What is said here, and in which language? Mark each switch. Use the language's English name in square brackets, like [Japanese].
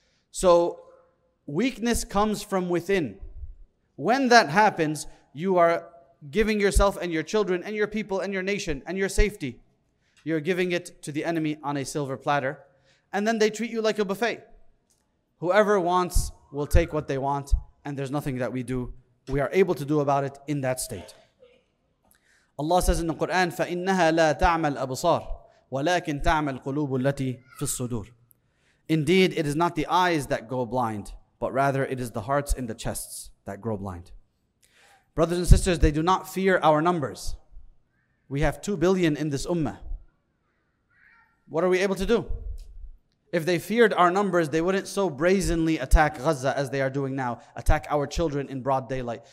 [English] So weakness comes from within. When that happens, you are giving yourself and your children and your people and your nation and your safety. You're giving it to the enemy on a silver platter. And then they treat you like a buffet. Whoever wants will take what they want, and there's nothing that we are able to do about it in that state. Allah says in the Quran, [Arabic] فَإِنَّهَا لَا تَعْمَى الْأَبْصَارِ وَلَكِنْ تَعْمَى الْقُلُوبُ الَّتِي فِي الصُّدُورِ. [English] Indeed, it is not the eyes that go blind, but rather it is the hearts in the chests that grow blind. Brothers and sisters, they do not fear our numbers. We have 2 billion in this ummah. What are we able to do? If they feared our numbers, they wouldn't so brazenly attack Gaza as they are doing now, attack our children in broad daylight.